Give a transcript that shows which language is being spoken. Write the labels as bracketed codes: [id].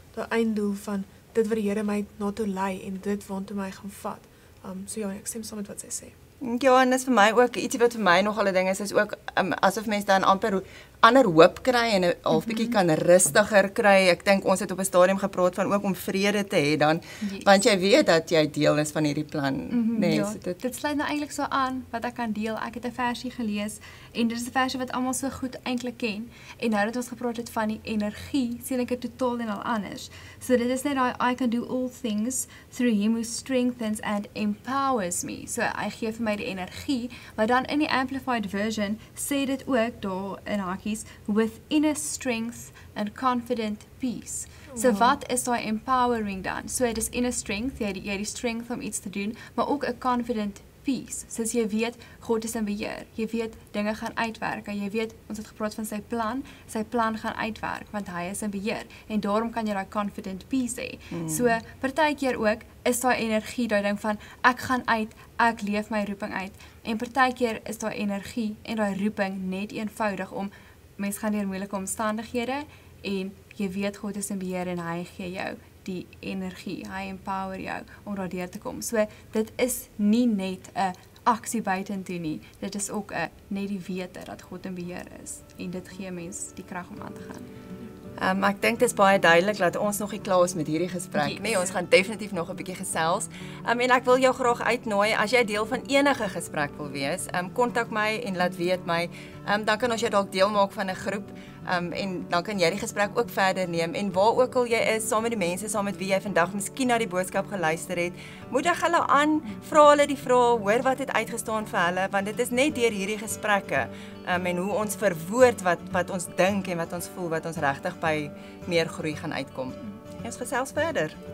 [af] Daai einddoel van dit wat die Here my na toe lei en dit waartoe my gaan vat. So ja, ek stem saam met wat sy sê. Ja, en dat is vir my ook iets wat vir my nogal een ding is, is ook asof mens dan amper ander hoop kry en half bietjie kan rustiger kry. Ek dink ons het op 'n stadium gepraat van ook om vrede te hê dan, want jy weet dat jy deel is van hierdie plan. Nee, ja, dit sluit nou eigenlijk so aan wat ek kan deel. Ek het 'n versie gelees en dit is 'n versie wat almal so goed eintlik ken. En nou dat ons gepraat het van die energie, sien ek het totaal en al anders. So dit is net dat [en] I can do all things through him who strengthens and empowers me. [af] So hy gee vir my die energie, maar dan in die amplified version sê dit ook daar in haakies [en] with inner strength and confident peace. [af] So wat is daai empowering dan? [en] So it is inner strength, [af] jy die strength om iets te doen, maar ook [en] a confident peace. [af] So as jy weet, God is in beheer. Jy weet, dinge gaan uitwerk. En jy weet, ons het gepraat van sy plan gaan uitwerk, want hy is in beheer. En daarom kan jy daai [en] confident peace [af] hê. So, partykeer ook, is daai energie, daai ding van, ek gaan uit, ek leef my roeping uit. En partykeer is daai energie en daai roeping net eenvoudig om, mens gaan deur moeilike omstandighede, en jy weet, God is in beheer en hy gee jou die energie, hy empower jou om daar deur te kom. So, dit is nie net 'n aksie buiten toe nie, dit is ook net die wete dat God in beheer is en dit gee mens die krag om aan te gaan. Ek dink dit is baie duidelik dat ons nog nie klaar is met hierdie gesprek nie. Ons gaan definitief nog 'n bietjie gesels. En ek wil jou graag uitnooi as jy deel van enige gesprek wil wees, kontak my en laat weet my. Dan kan ons jou dalk deel maak van 'n groep en dan kan jy die gesprek ook verder neem en waar ook al jy is, saam met die mense saam met wie jy vandag miskien na die boodskap geluister het, moedig hulle aan, vra hulle die vrae, hoor wat het uitgestaan vir hulle, want dit is net deur hierdie gesprekke en hoe ons verwoord wat ons dink en wat ons voel, wat ons regtig by meer groei gaan uitkom. Ons gesels verder.